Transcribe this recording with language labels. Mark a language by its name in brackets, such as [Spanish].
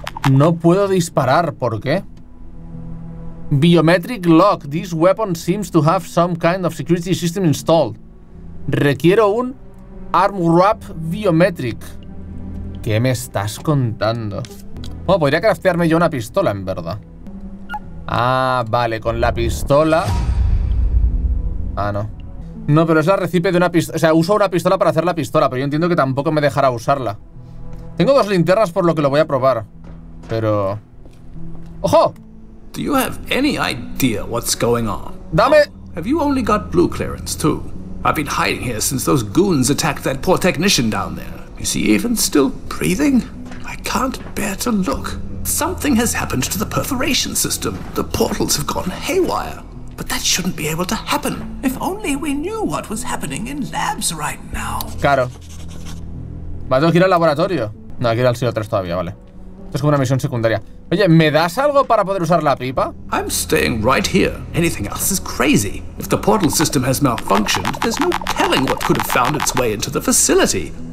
[Spanish] No puedo disparar, ¿por qué? [English] Biometric lock. This weapon seems to have some kind of security system installed. [Spanish] Requiero un [English] arm wrap biometric. [Spanish] ¿Qué me estás contando? Bueno, podría craftearme yo una pistola, en verdad. Ah, vale, con la pistola. Ah, no. No, pero es la recipe de una pistola. O sea, uso una pistola para hacer la pistola, pero yo entiendo que tampoco me dejará usarla. Tengo dos linternas, por lo que lo voy a probar. Pero... ¡Ojo! [English] Do you have any idea what's going on? [Spanish] ¡Dame! Oh, [English] have you only got blue clearance, too? I've been hiding here since those goons attacked that poor technician down there. Is he even still breathing? I can't bear to look. Something has happened to the perforation system. The portals have gone haywire. But that shouldn't be able to happen. If only we knew what was happening in labs right now. [Spanish] Claro. Vale, tengo que ir al laboratorio. No, quiero ir al Silo 3 todavía, vale. Esto es como una misión secundaria. Oye, ¿me das algo para poder usar la pipa? [English] I'm staying right here. Anything else is crazy. If the portal system has malfunctioned, there's no telling what could have found its way into the facility.